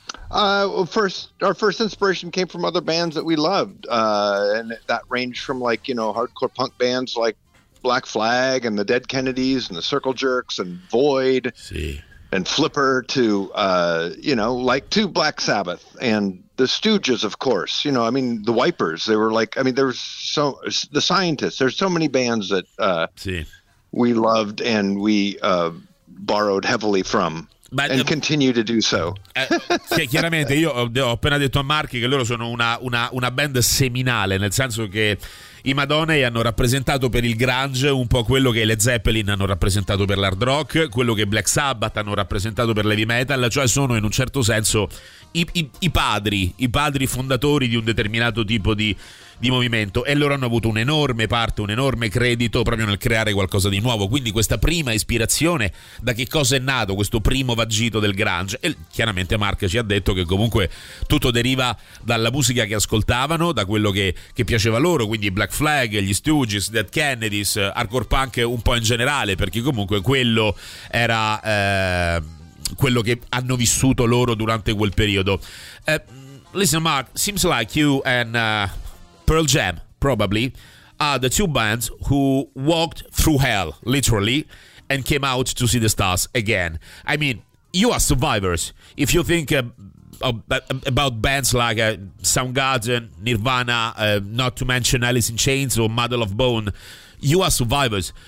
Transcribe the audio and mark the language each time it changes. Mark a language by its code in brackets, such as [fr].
[en] Our first inspiration came from other bands that we loved, and that ranged from, like, you know, hardcore punk bands like Black Flag and the Dead Kennedys and the Circle Jerks and Void and Flipper to, you know, like, to Black Sabbath and the Stooges, of course. You know, I mean, the Wipers, they were like, I mean, there's so, the Scientists, there's so many bands that we loved and we borrowed heavily from. And continue to do so. [it] Sì, chiaramente io ho appena detto a Mark che loro sono una band seminale, nel senso che i Madonnei hanno rappresentato per il grunge un po' quello che le Zeppelin hanno rappresentato per l'hard rock, quello che Black Sabbath hanno rappresentato per l'heavy metal, cioè sono in un certo senso i padri fondatori di un determinato tipo di movimento, e loro hanno avuto un'enorme parte, un enorme credito proprio nel creare qualcosa di nuovo. Quindi questa prima ispirazione, da che cosa è nato questo primo vagito del grunge? E chiaramente Mark ci ha detto che comunque tutto deriva dalla musica che ascoltavano, da quello che piaceva loro, quindi Black Flag, gli Stooges, Dead Kennedys, hardcore punk un po' in generale, perché comunque quello era quello che hanno vissuto loro durante quel periodo. [en] Listen, Mark, seems like you and Pearl Jam probably are the two bands who walked through hell, literally, and came out to see the stars again. I mean, you are survivors. If you think about bands like Soundgarden, Nirvana, not to mention Alice in Chains or Muddle of Bone, you are survivors.